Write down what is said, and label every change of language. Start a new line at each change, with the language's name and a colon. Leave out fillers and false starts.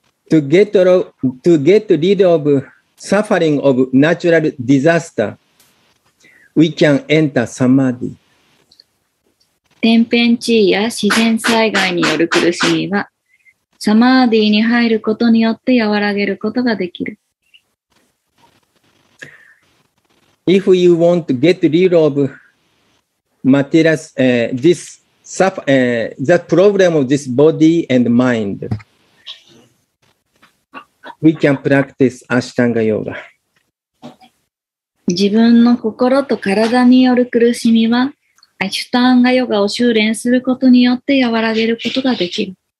English: To get rid of suffering of natural disaster, we can enter samadhi.
Japanese: 天変地異や自然災害による苦しみは、サマーディに入ることによって和らげることができる。
English: If you want to get rid of materials, that problem of this body and mind,We can practice Ashtanga Yoga.
Japanese: 自分の心と体による苦しみは、アシュタンガヨガを修練することによって和らげることができる。